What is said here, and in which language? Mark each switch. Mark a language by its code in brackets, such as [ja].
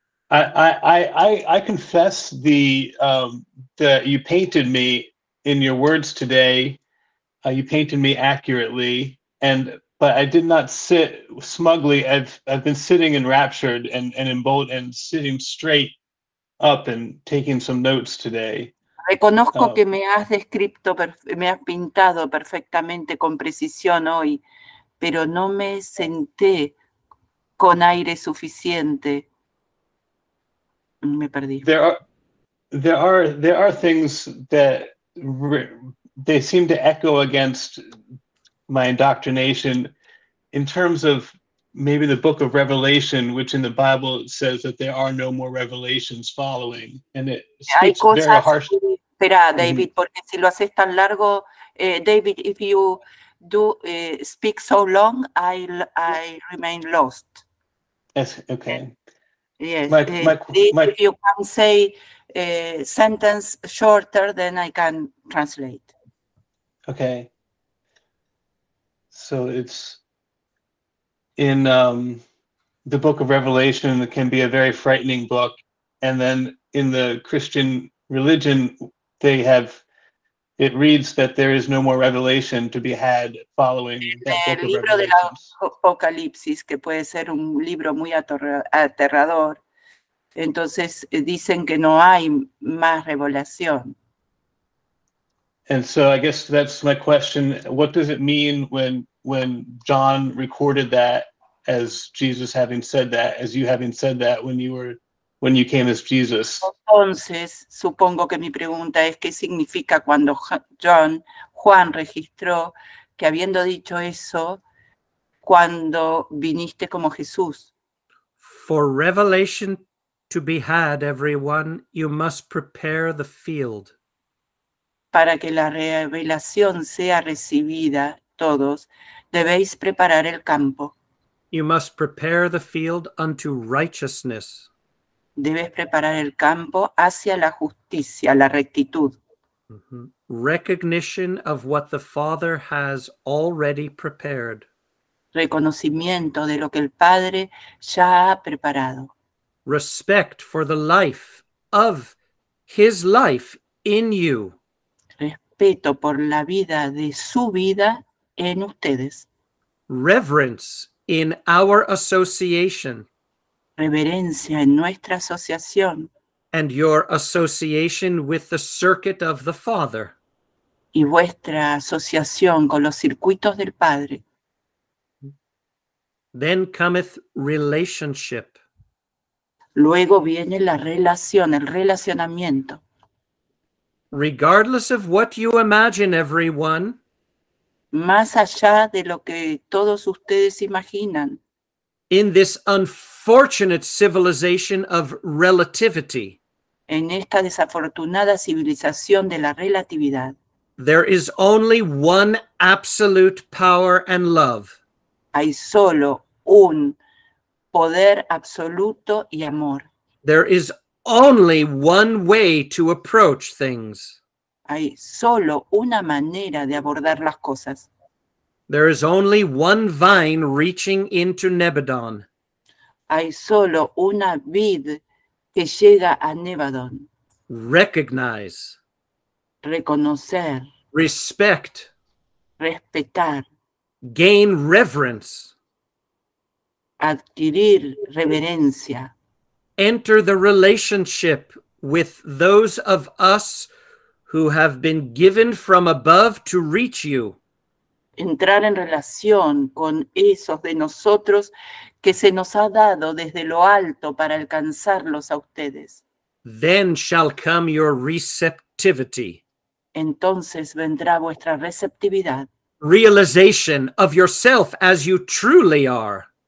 [en] I confess that you painted me in your words today. You painted me accurately, but I did not sit smugly. I've been sitting enraptured and emboldened and sitting straight up and taking some notes today. [es] Reconozco que me has descrito, me has pintado perfectamente con precisión hoy, pero no me senté con aire suficiente. Me perdí. [en] There are things that they seem to echo against my indoctrination in terms of maybe the book of Revelation, which in the Bible says that there are no more revelations following, and it speaks very harsh. [es] Espera, David, porque si lo haces tan largo, David, [en] if you do speak so long, I remain lost. Yes. Okay. Yes, if you can say a sentence shorter, then I can translate. Okay. So it's in the book of Revelation, it can be a very frightening book. And then in the Christian religion, it reads that there is no more revelation to be had following that book of [es] libro de la Apocalipsis, que puede ser un libro muy aterrador. Entonces dicen que no hay más revelación. [en] And so I guess that's my question. What does it mean when John recorded that as Jesus having said that, as you having said that when you came as Jesus? [es] Entonces, supongo que mi pregunta es qué significa cuando Juan registró que habiendo dicho eso, cuando viniste como Jesús. [en] For revelation to be had, everyone, you must prepare the field. [es] Para que la revelación sea recibida, todos, debéis preparar el campo. [en] You must prepare the field unto righteousness. [es] Debes preparar el campo hacia la justicia, la rectitud. [en] Recognition of what the Father has already prepared. [es] Reconocimiento de lo que el Padre ya ha preparado. [en] Respect for the life of his life in you. [es] Respeto por la vida de su vida en ustedes. [en] Reverence in our association. [es] Reverencia en nuestra asociación. [en] And your association with the circuit of the Father. [es] Y vuestra asociación con los circuitos del Padre. [en] Then cometh relationship. [es] Luego viene la relación, el relacionamiento. [en] Regardless of what you imagine, everyone. [es] Más allá de lo que todos ustedes imaginan. [en] In this unfortunate civilization of relativity. [es] En esta desafortunada civilización de la relatividad. [en] There is only one absolute power and love. [es] Hay solo un poder absoluto y amor. [en] There is only one way to approach things. [es] Hay solo una manera de abordar las cosas. [en] There is only one vine reaching into Nebadon. [es] Hay solo una vid que llega a Nebadon. [en] Recognize. [es] Reconocer. [en] Respect. [es] Respetar. [en] Gain reverence. [es] Adquirir reverencia. [en] Enter the relationship with those of us who have been given from above to reach you. [es] Entrar en relación con esos de nosotros que se nos ha dado desde lo alto para alcanzarlos a ustedes. [en] Then shall come your receptivity. [es] Entonces vendrá vuestra receptividad. [en] Realization of yourself as you truly are.